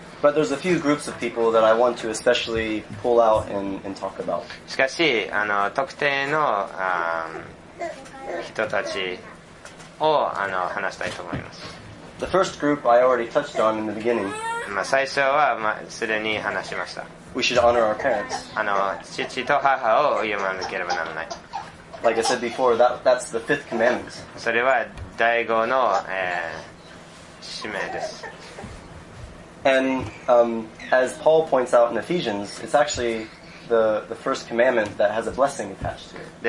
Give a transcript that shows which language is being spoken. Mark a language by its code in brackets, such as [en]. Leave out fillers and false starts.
[en] But there's a few groups of people that I want to especially pull out and talk about. [ja] しかし、特定の、人たちを話したいと思います。 [en] The first group I already touched on in the beginning. [ja] まあ、最初は、まあ、すでに話しました。 [en] We should honor our parents. [ja] 父と母を敬わなければならない。 [en] Like I said before, that's the fifth commandment. [ja] それは第五の、使命です。 [en] And as Paul points out in Ephesians, it's actually the first commandment that has a blessing attached to it.